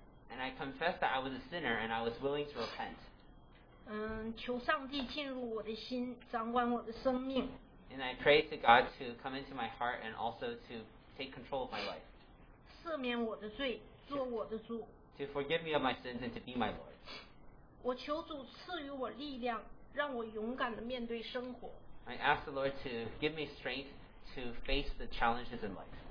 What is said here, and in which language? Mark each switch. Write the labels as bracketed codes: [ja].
[en] And I confess that I was a sinner and I was willing to repent [zh] 求上帝进入我的心 掌管我的生命 [en] And I pray to God to come into my heart and also to take control of my life [zh] 赦免我的罪 做我的主 [en] To forgive me of my sins and to be my Lord [zh] 我求主赐予我力量 让我勇敢地面对生活 [en] I ask the Lord to give me strength to face the challenges in life